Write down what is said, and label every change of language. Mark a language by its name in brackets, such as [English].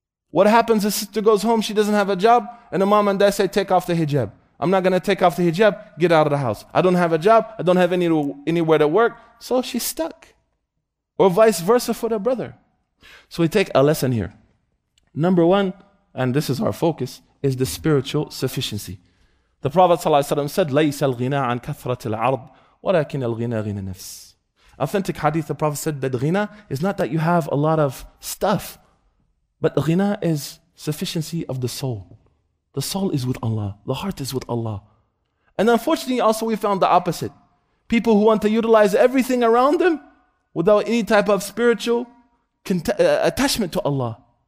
[English] What happens? A sister goes home, she doesn't have a job, and the mom and dad say, take off the hijab. I'm not going to take off the hijab, get out of the house. I don't have a job, I don't have anywhere to work, so she's stuck. Or vice versa for the brother. So we take a lesson here. Number one, and this is our focus, is the spiritual sufficiency. The Prophet ﷺ said, [Arabic] لَيْسَ الْغِنَىٰ عَنْ كَثْرَةِ الْعَرْضِ وَلَكِنَ الْغِنَىٰ غِنَىٰ نَفْسِ. [English] Authentic hadith, the Prophet said that ghina is not that you have a lot of stuff, but ghina is sufficiency of the soul. The soul is with Allah. The heart is with Allah. And unfortunately, also we found the opposite. People who want to utilize everything around them without any type of spiritual attachment to Allah.